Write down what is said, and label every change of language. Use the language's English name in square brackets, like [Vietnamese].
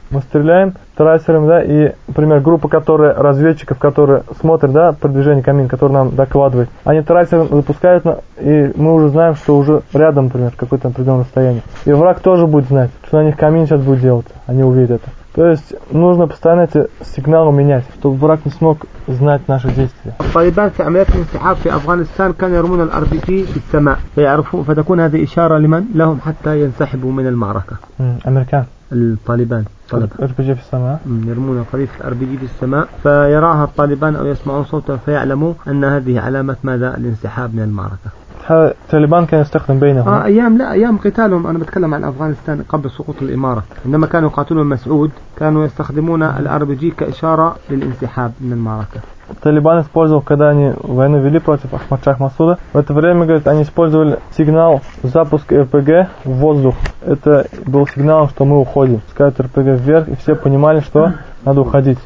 [Russian] Мы стреляем трассером, да, и, например, группа, которая разведчиков, которые смотрят, да, продвижение камин, которые нам докладывают. Они трассером запускают, и мы уже знаем, что уже рядом, например, какое-то определенное расстояние. И враг тоже будет знать, что на них камин сейчас будет делаться. Они увидят это. То есть нужно постоянно эти сигналы менять, чтобы враг не смог знать наши действия. Талибан в операции инсихаб в Афганистане [Arabic] كانوا يرمون الRPG في السماء فيعرفوا فتكون هذه إشارة لمن لهم حتى ينسحبوا من المعركة. أمريكان. الطالبان. RPG في السماء. يرمون قذيفة RPG في السماء فيراها الطالبان أو يسمعون صوته فيعلموا أن هذه علامة ماذا الانسحاب من المعركة. طالبان كان يستخدم بينهم أيام لا أيام قتالهم أنا بتكلم عن أفغانستان قبل سقوط الإمارة عندما كانوا يقاتلون مسعود كانوا يستخدمون الRPG كإشارة للانسحاب من المعركة. [Russian] Талибан использовал, когда они войну вели против Ахмад Шах Масуда. В это время, говорит, они использовали сигнал запуск РПГ в воздух. Это был сигналом, что мы уходим. Скажут РПГ вверх, и все понимали, что надо уходить.